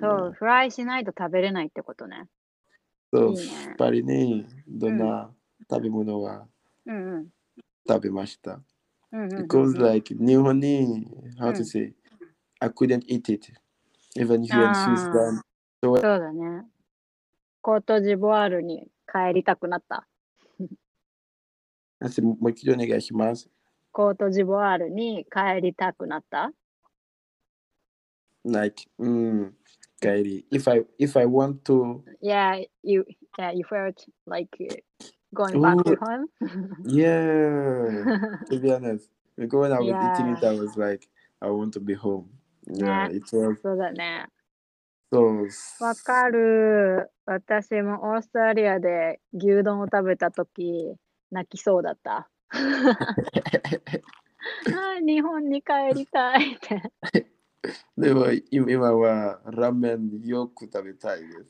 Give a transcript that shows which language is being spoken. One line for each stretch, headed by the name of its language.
Japanese: そう、フライしないと食べれないってことね。そう、やっぱりね、どんな、食べ物は食べました。
English: Because like
Japanese: 日本に
English: how to say、I couldn't eat it even here in Switzerland.
Japanese: そうだね。コートジボワールに帰りたくなった。先生もう一度お願いします。コートジボワールに帰りたくなった。
English: Like、
Japanese: 帰り。
English: If I want to. Yeah, you felt like. Going back to home? Yeah, to be honest. Because when I was eating it, I was like, I want to be home. Yeah, it was.
Japanese: そうだね。そう。わかる。私もオーストラリアで牛丼を食べたとき、泣きそうだった。日本に帰りたいって。でも今はラーメンよく食べたいです。